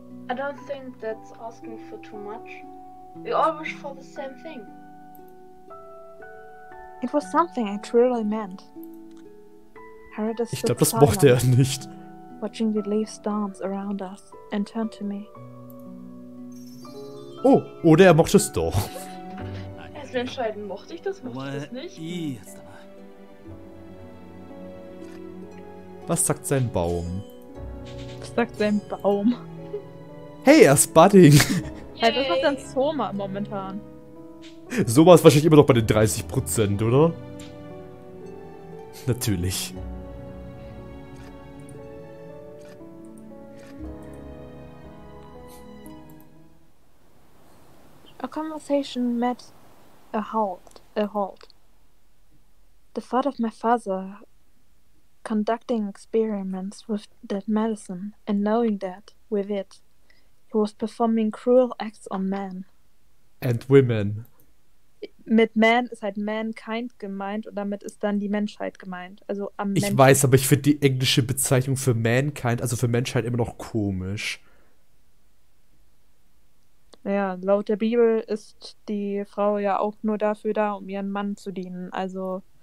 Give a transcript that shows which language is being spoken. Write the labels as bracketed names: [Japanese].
[English] I don't think that's asking for too much. We all wish for the same thing. It was something I truly meant. [German] Ich glaube, das mochte er nicht. [English] Watching the leaves dance around us and turn to me. [German] Oh, oder er mochte es doch. Er soll entscheiden, mochte ich das, mochte ich das nicht. Was sagt sein Baum? Was sagt sein Baum? Hey, er ist budding. Hey, das macht dann Soma momentan. Soma ist wahrscheinlich immer noch bei den 30%, oder? Natürlich. [English] A conversation met a halt. The thought of my father conducting experiments with that medicine and knowing that, with it, he was performing cruel acts on men. And women. [German] Mit man ist halt mankind gemeint und damit ist dann die Menschheit gemeint. Also am Menschen. Ich weiß, aber ich finde die englische Bezeichnung für mankind, also für Menschheit, immer noch komisch. Naja, laut der Bibel ist die Frau ja auch nur dafür da, um ihren Mann zu dienen, also...